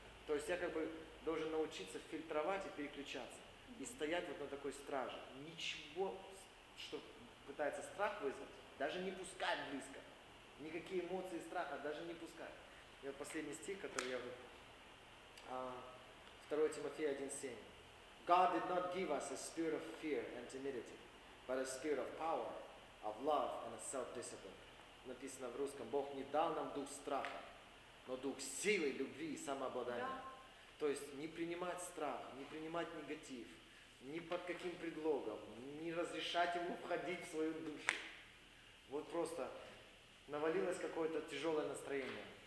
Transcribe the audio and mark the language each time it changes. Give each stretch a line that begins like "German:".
Russian: То есть я как бы должен научиться фильтровать и переключаться. И стоять вот на такой страже. Ничего, что пытается страх вызвать, даже не пускать близко. Никакие эмоции страха даже не пускать. И вот последний стих, который я выбрал. 2 Тимофея 1:7.
English: God did not give us a spirit of fear and timidity, but a spirit of power, of love and of self-discipline.
Russian: Написано в русском, Бог не дал нам дух страха, но дух силы, любви и самообладания. Да. То есть не принимать страх, не принимать негатив, ни под каким предлогом, не разрешать ему входить в свою душу. Вот просто навалилось какое-то тяжелое настроение.